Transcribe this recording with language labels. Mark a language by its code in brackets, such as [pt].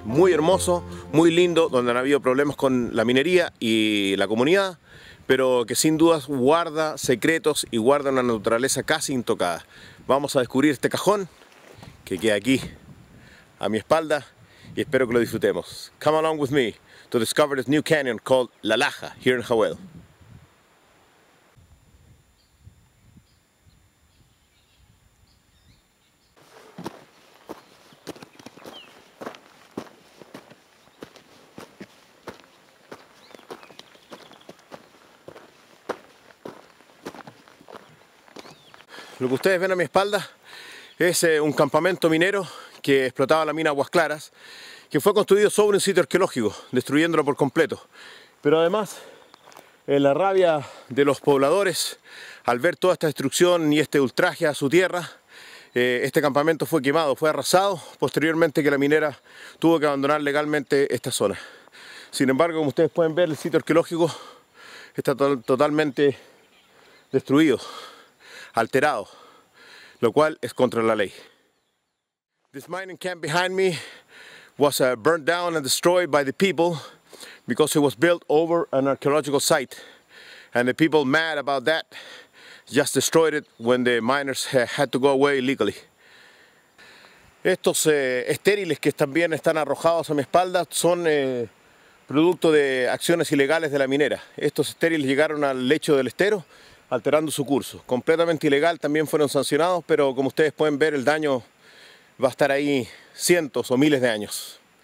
[es] Muy hermoso, muy lindo, donde han habido problemas con la minería y la comunidad, pero que sin dudas guarda secretos y guarda una naturaleza casi intocada. Vamos a descubrir este cajón que queda aquí a mi espalda y espero que lo disfrutemos. [en] Come along with me to discover this new canyon called La Laja, here in Jahuel. [es] Lo que ustedes ven a mi espalda es un campamento minero que explotaba la mina Aguas Claras, que fue construido sobre un sitio arqueológico, destruyéndolo por completo. Pero además, en la rabia de los pobladores, al ver toda esta destrucción y este ultraje a su tierra, este campamento fue quemado, fue arrasado, posteriormente que la minera tuvo que abandonar legalmente esta zona. Sin embargo, como ustedes pueden ver, el sitio arqueológico está totalmente destruido, alterado, lo cual es contra la ley. [en] This mining camp behind me was burnt down and destroyed by the people because it was built over an archaeological site, and the people mad about that just destroyed it when the miners had to go away illegally. [es] Estos estériles que también están arrojados a mi espalda son producto de acciones ilegales de la minera. Estos estériles llegaron al lecho del estero alterando su curso. Completamente ilegal, también fueron sancionados, pero como ustedes pueden ver, el daño va a estar ahí cientos o miles de años.